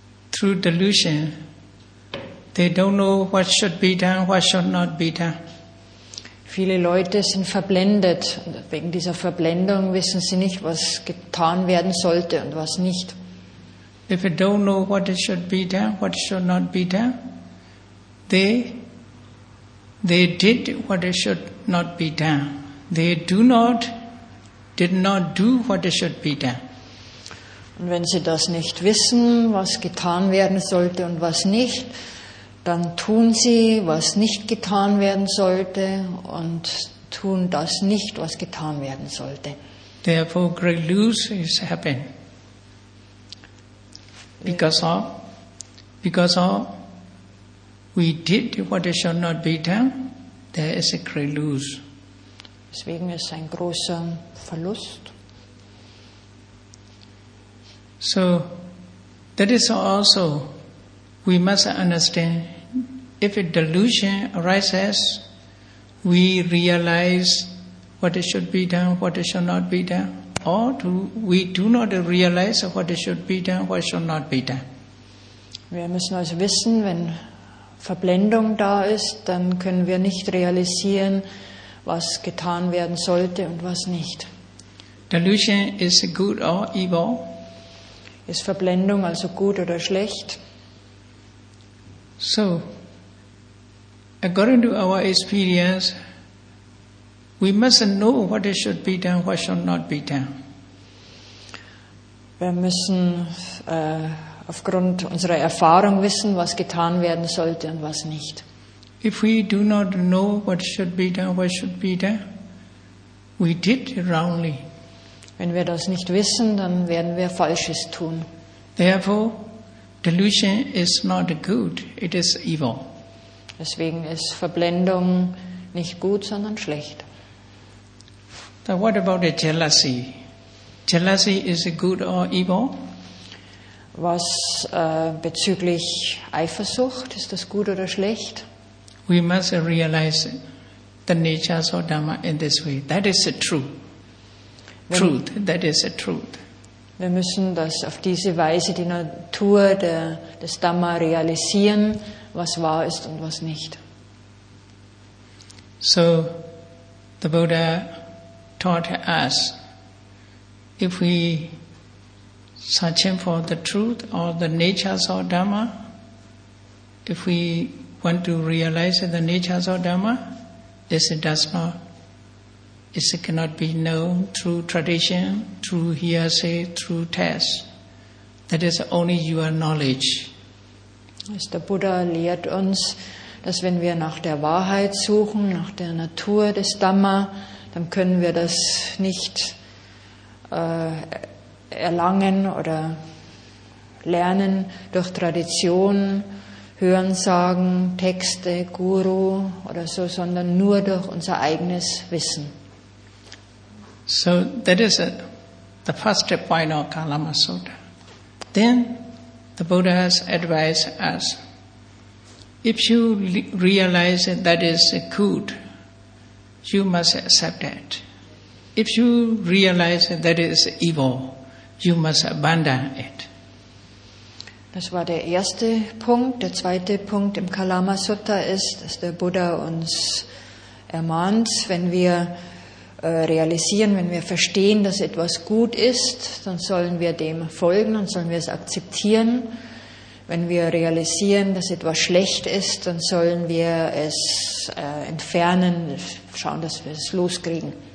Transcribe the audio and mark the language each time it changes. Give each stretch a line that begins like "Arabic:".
English: Through delusion, they don't know what should be done, what should not be done.
German: Viele Leute sind verblendet. Und wegen dieser Verblendung wissen sie nicht, was getan werden sollte und was nicht.
English: If they don't know what should be done, what should not be done, they did what should not be done. They did not do what should be done.
German: Und wenn sie das nicht wissen, was getan werden sollte und was nicht, dann tun sie, was nicht getan werden sollte und tun das nicht, was getan werden sollte.
English: Therefore, great loss is happening. Because of we did what it shall not be done, there is a great lose.
German: Deswegen ist ein großer Verlust.
English: So, that is also, we must understand, if a delusion arises, we realize what it should be done, what it shall not be done, or we do not realize what it should be done, what it shall not be done.
German: Wir müssen also wissen, wenn Verblendung da ist, dann können wir nicht realisieren, was getan werden sollte und was nicht.
English: Delusion is good or evil?
German: Ist Verblendung also gut oder schlecht?
English: So, according to our experience, we must know what it should be done, what should not be done.
German: Wir müssen aufgrund unserer Erfahrung wissen, was getan werden sollte und was nicht.
English: If we do not know what should be done, what should be done, we did wrongly.
German: Wenn wir das nicht wissen, dann werden wir Falsches tun.
English: Therefore, delusion is not good, it is evil.
German: Deswegen ist Verblendung nicht gut, sondern schlecht.
English: Now what about the jealousy? Jealousy is good or evil?
German: Was bezüglich Eifersucht, ist das gut oder schlecht?
English: We must realize the nature of Dhamma in this way. That is the truth. That is the truth.
German: Wir müssen das auf diese Weise die Natur des Dhamma realisieren, was wahr ist und was nicht.
English: So, the Buddha taught us, if we searching for the truth or the natures of Dhamma, if we want to realize the natures of Dhamma, this does not, this cannot be known through tradition, through hearsay, through test. That is only your knowledge.
German: Also der Buddha lehrt uns, dass wenn wir nach der Wahrheit suchen, nach der Natur des Dhamma, dann können wir das nicht erlangen oder lernen durch Tradition, Hörensagen, Texte, Guru oder so, sondern nur durch unser eigenes Wissen.
English: So that is the first point of Kalama Sutta. Then the Buddha has advised us, if you realize that is good, you must accept it. If you realize that is evil, you must abandon it.
German: Das war der erste Punkt. Der zweite Punkt im Kalama Sutta ist, dass der Buddha uns ermahnt, wenn wir realisieren, wenn wir verstehen, dass etwas gut ist, dann sollen wir dem folgen und sollen wir es akzeptieren. Wenn wir realisieren, dass etwas schlecht ist, dann sollen wir es entfernen, schauen, dass wir es loskriegen.